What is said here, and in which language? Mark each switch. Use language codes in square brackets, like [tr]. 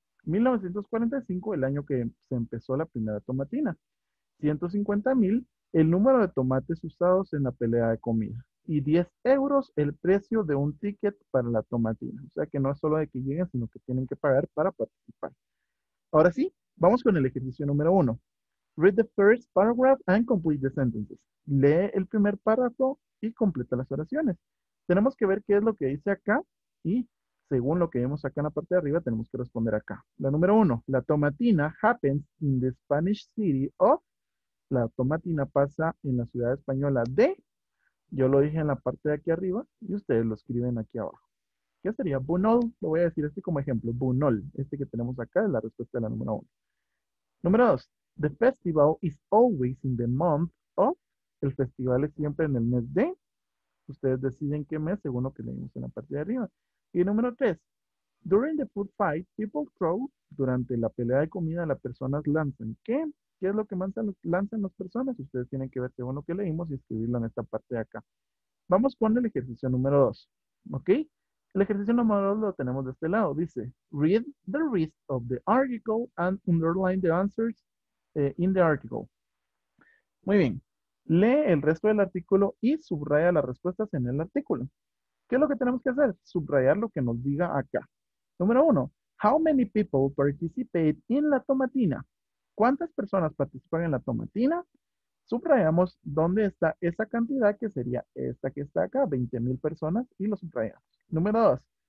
[es] 1945, el año que se empezó la primera tomatina. 150.000, el número de tomates usados en la pelea de comida. Y 10 euros el precio de un ticket para la tomatina. O sea que no es solo de que lleguen, sino que tienen que pagar para participar. Ahora sí, vamos con el ejercicio número 1. [en] Read the first paragraph and complete the sentences. [es] Lee el primer párrafo y completa las oraciones. Tenemos que ver qué es lo que dice acá y según lo que vemos acá en la parte de arriba, tenemos que responder acá. La número 1. [en] La tomatina happens in the Spanish city of. [es] La tomatina pasa en la ciudad española de, yo lo dije en la parte de aquí arriba y ustedes lo escriben aquí abajo. ¿Qué sería? Buñol, lo voy a decir así como ejemplo. Buñol, este que tenemos acá es la respuesta de la número 1. Número 2. [en] The festival is always in the month of. [es] El festival es siempre en el mes de. Ustedes deciden qué mes según lo que leímos en la parte de arriba. Y número 3. [en] During the food fight, people throw. [es] Durante la pelea de comida, las personas lanzan. ¿Qué? ¿Qué es lo que lanzan las personas? Ustedes tienen que ver según lo que leímos y escribirlo en esta parte de acá. Vamos con el ejercicio número 2. ¿Ok? El ejercicio número 2 lo tenemos de este lado. [en] Dice: Read the rest of the article and underline the answers in the article. [es] Muy bien. Lee el resto del artículo y subraya las respuestas en el artículo. ¿Qué es lo que tenemos que hacer? Subrayar lo que nos diga acá. Número 1. [en] How many people participate in La Tomatina? [es] ¿Cuántas personas participan en la tomatina? Subrayamos dónde está esa cantidad que sería esta que está acá, 20.000 personas, y lo subrayamos. Número 2.